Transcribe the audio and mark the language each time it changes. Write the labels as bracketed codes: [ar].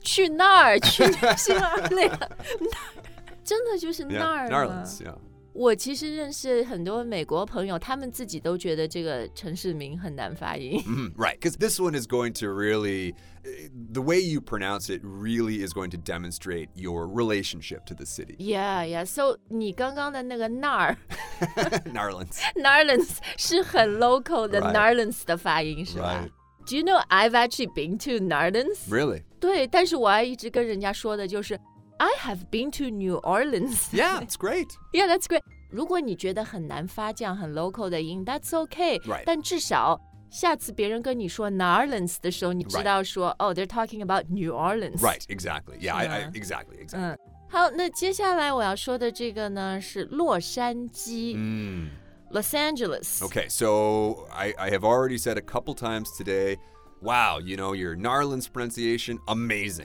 [zh] 去那儿，去新奥尔良，真的就是那儿吗 [en] yeah, Narlands, yeah. [zh] 我其实认识很多美国朋友，他们自己都觉得这个城市名很难发音。 [en] Mm-hmm, right, because this one is going to really, the way you pronounce it really is going to demonstrate your relationship to the city. Yeah, yeah. So [zh] 你刚刚的那个那儿 [en] ，Narlands, [zh] Narlands 是很 local 的 Narlands 的发音，是吧？ [en] Right. Do you know I've actually been to Narlands? Really? [zh] 对，但是我还一直跟人家说的就是 [en] I have been to New Orleans. Yeah, it's great. Yeah, that's great. [zh] 如果你觉得很难发这样很 local 的音 [en] that's okay. Right. [zh] 但至少下次别人跟你说 Narlands 的时候你知道说、 [en] right. Oh, they're talking about New Orleans. Right, exactly. Yeah, exactly. [zh] 好，那接下来我要说的这个呢是洛杉矶。 [en] Los Angeles. Okay, so I have already said a couple times today, wow, you know, your Narlands pronunciation, amazing.